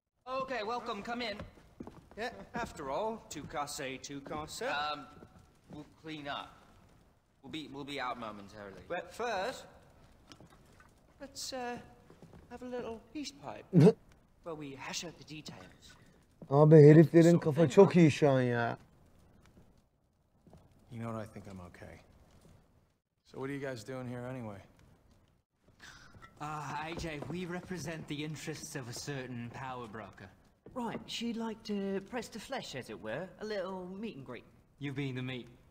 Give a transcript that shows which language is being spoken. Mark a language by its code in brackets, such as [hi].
[en] Okay, welcome. Come in. Yeah, after all, [fr] tu casse, tu casse. [en] We'll clean up. We'll be out momentarily. But first, let's have a little peace pipe. Where we hash out the details. [tr] Abi, heriflerin kafa çok iyi şu an ya. [en] You know what? I think I'm okay. So what are you guys doing here anyway? AJ, we represent the interests of a certain power broker. Right, she'd like to press the flesh, as it were. A little meet and greet. You've been the meet.